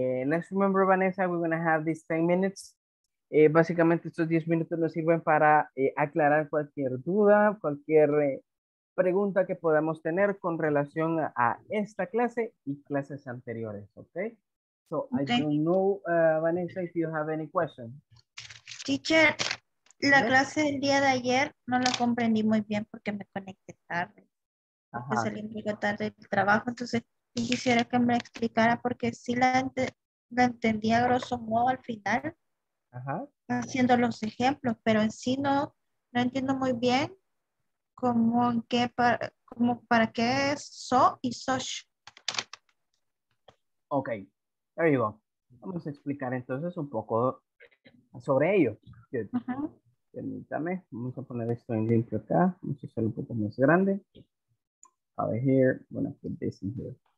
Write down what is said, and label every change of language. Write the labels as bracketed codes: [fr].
[en] Let's remember, Vanessa, we're going to have these 10 minutes. [es] Básicamente estos 10 minutos nos sirven para aclarar cualquier duda, cualquier pregunta que podamos tener con relación a esta clase y clases anteriores, okay? [en] So, okay. I don't know, Vanessa, if you have any question. [es] Teacher, la clase del día de ayer no la comprendí muy bien porque me conecté tarde. Ajá. Salí un poco tarde del trabajo, entonces quisiera que me explicara porque sí la entendía grosso modo al final. Ajá. Haciendo los ejemplos, pero en sí no entiendo muy bien cómo en qué para qué es so y such. Ok, [en] there you go. [es] Vamos a explicar entonces un poco sobre ello. Good. Permítame, vamos a poner esto en limpio acá. Vamos a hacerlo un poco más grande. [en] Over here, I'm gonna put this in here.